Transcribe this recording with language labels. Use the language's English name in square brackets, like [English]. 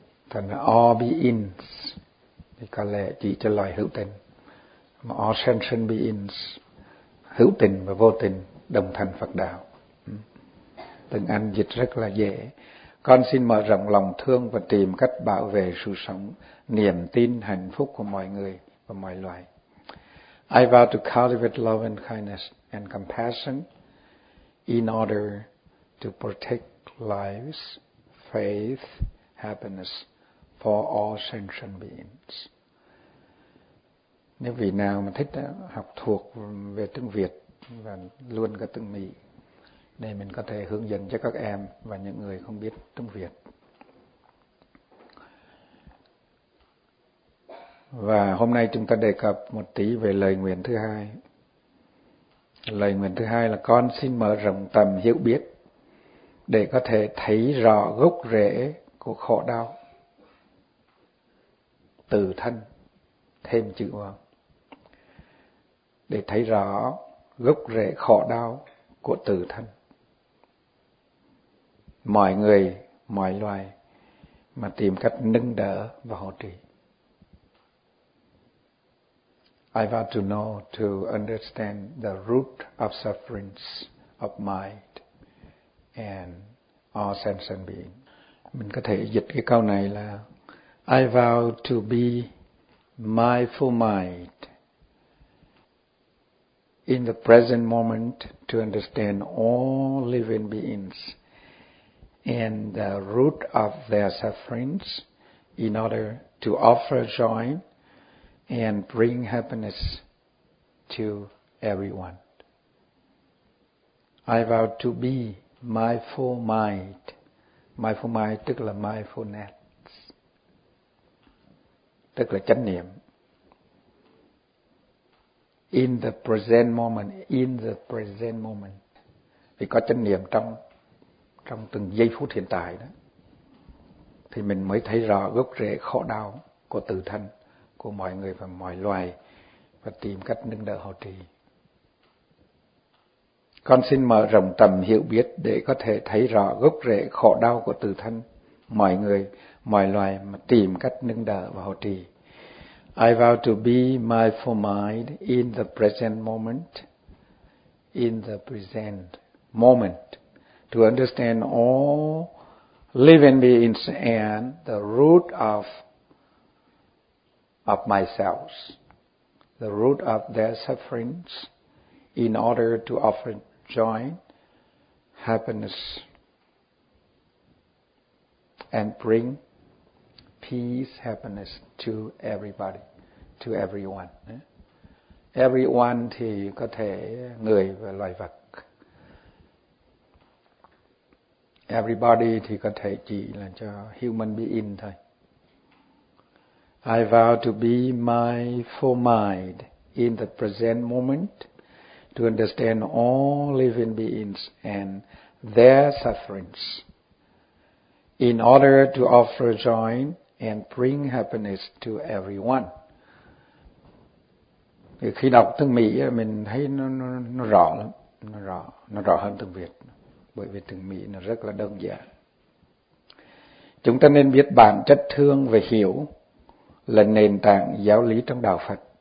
[Vietnamese] Thành là [English] all beings [Vietnamese] thì có lẽ chỉ cho loài hữu tình, mà [English] all sentient beings [Vietnamese] hữu tình và vô tình đồng thành Phật đạo. Từng anh dịch rất là dễ. Con xin mở rộng lòng thương và tìm cách bảo vệ sự sống, niềm tin, hạnh phúc của mọi người và mọi loài. [English] I vow to cultivate love and kindness and compassion in order to protect lives, faith, happiness for all sentient beings. [Vietnamese] Nếu vị nào mà thích học thuộc về tiếng Việt và luôn cả tiếng Mỹ, để mình có thể hướng dẫn cho các em và những người không biết tiếng Việt. Và hôm nay chúng ta đề cập một tí về lời nguyện thứ hai. Lời nguyện thứ hai là con xin mở rộng tầm hiểu biết để có thể thấy rõ gốc rễ của khổ đau. Từ thân, thêm chữ vào. Để thấy rõ gốc rễ khổ đau của từ thân. Mọi người, mọi loài mà tìm cách nâng đỡ và hỗ trợ. [English] I want to know to understand the root of sufferings of mind and all sentient beings. [Vietnamese] Mình có thể dịch cái câu này là [English] I vow to be mindful mind in the present moment to understand all living beings and the root of their sufferings in order to offer joy and bring happiness to everyone. I vow to be mindful mind. Mindful mind [Vietnamese] tức là mindfulness, tức là chánh niệm. [English] In the present moment, in the present moment. [Vietnamese] Vì có chánh niệm trong từng giây phút hiện tại đó, thì mình mới thấy rõ gốc rễ khổ đau của tự thân, của mọi người và mọi loài, và tìm cách nâng đỡ hỗ trợ. Con xin mở rộng tầm hiểu biết để có thể thấy rõ gốc rễ khổ đau của tự thân, mọi người, mọi loài mà tìm cách nâng đỡ và hỗ trợ. [English] I vow to be mindful mind in the present moment, to understand all living beings and the root of myself, the root of their sufferings, in order to offer joy, happiness, and bring peace, happiness to everybody, to everyone. [Vietnamese] Everyone thì có thể người và loài vật. Everybody thì có thể chỉ là cho human being thôi. [English] I vow to be mindful mind in the present moment to understand all living beings and their sufferings in order to offer joy and bring happiness to everyone. [Vietnamese] Khi đọc tiếng Mỹ mình thấy nó rõ lắm, nó rõ hơn tiếng Việt, bởi vì tiếng Mỹ nó rất là đơn giản. Chúng ta nên biết bản chất thương và hiểu là nền tảng giáo lý trong đạo Phật.